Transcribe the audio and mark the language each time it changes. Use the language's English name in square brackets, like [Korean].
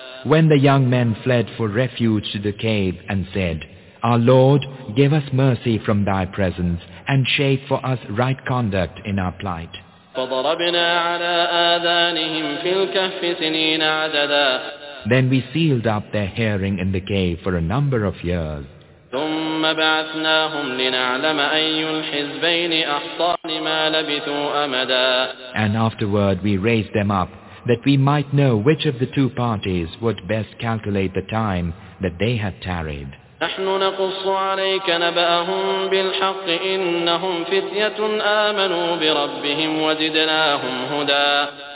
[English] When the young men fled for refuge to the cave and said, Our Lord, give us mercy from thy presence and shape for us right conduct in our plight. [Arabic] فضربنا على آذانهم في الكهف سنين عددا. [English] Then we sealed up their hearing in the cave for a number of years. [Arabic] ثم بعثناهم لنعلم أي الحزبين أحصى لما لبثوا أمدا. [English] And afterward we raised them up that we might know which of the two parties would best calculate the time that they had tarried. [Arabic] نحن نقص عليك نبأهم بالحق إنهم فتية آمنوا بربهم وزدناهم هدى.